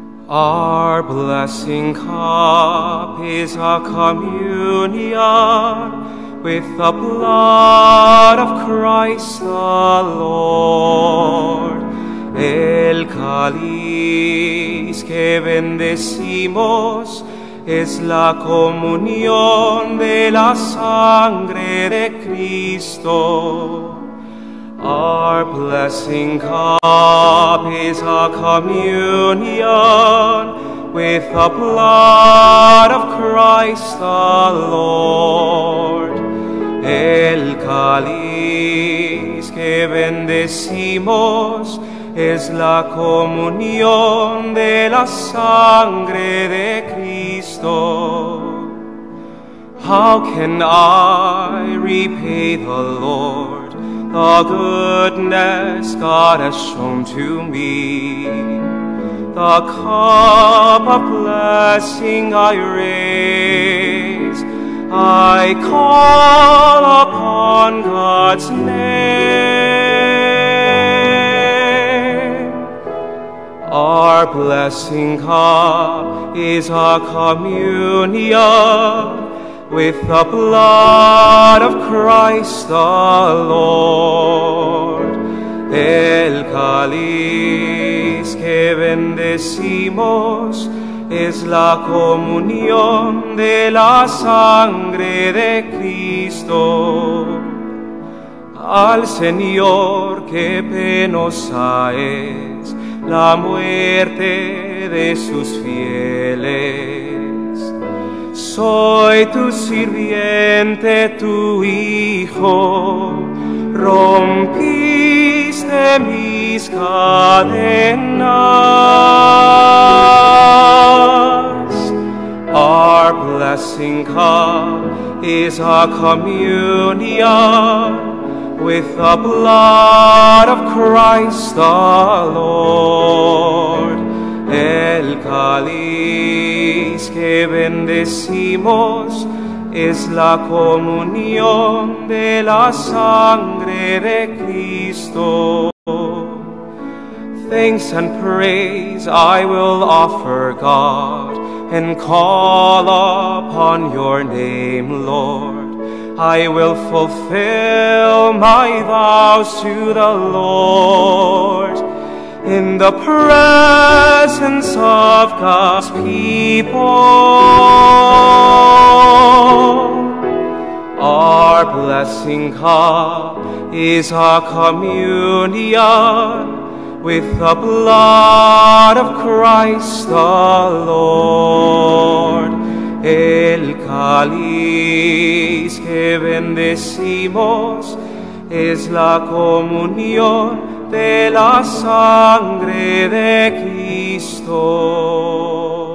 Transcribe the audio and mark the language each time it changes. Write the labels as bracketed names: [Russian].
[English] Our blessing cup is a communion with the blood of Christ the Lord. [Spanish] El cáliz que bendecimos es la comunión de la sangre de Cristo. [English] Our blessing cup is a communion with the blood of Christ the Lord. [Spanish] El cáliz que bendecimos es la comunión de la sangre de Cristo. [English] How can I repay the Lord the goodness God has shown to me? The cup of blessing I raise, I call upon God's name. Our blessing cup is a communion with the blood of Christ the Lord. [Spanish] El cáliz que bendecimos es la comunión de la sangre de Cristo. Al Señor que penosa es la muerte de sus fieles. Soy tu sirviente, tu hijo, rompiste mis cadenas. [English] Our blessing cup is a communion with the blood of Christ the Lord. [Spanish] El cáliz que bendecimos es la comunión de la sangre de Cristo. [English] Thanks and praise I will offer God and call upon your name, Lord. I will fulfill my vows to the Lord. In the presence of God's people, our blessing cup is a communion with the blood of Christ the Lord. [Spanish] El cáliz que bendecimos es la comunión de la sangre de Cristo.